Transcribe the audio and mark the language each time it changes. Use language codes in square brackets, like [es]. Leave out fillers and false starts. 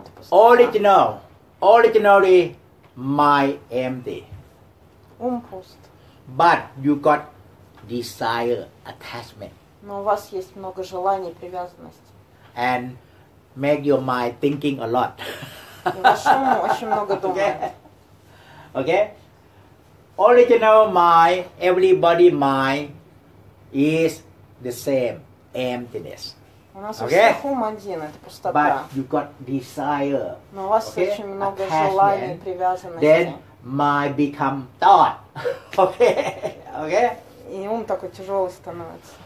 [en] Originally, mind empty. Pust. But you got desire attachment. [ru] Но у вас есть много желаний, привязанности. [en] And make your mind thinking a lot. [ru] Ваш ум очень много думает. [en] Okay? Original mind, everybody mind is the same, emptiness. [ru] Okay? У нас у всех ум один, это пустота. [en] But you got desire. [ru] Но у вас [en] okay? [ru] очень много желаний, привязанности. [en] Then mind become thought. Okay? Okay? [ru] И ум такой тяжелый становится.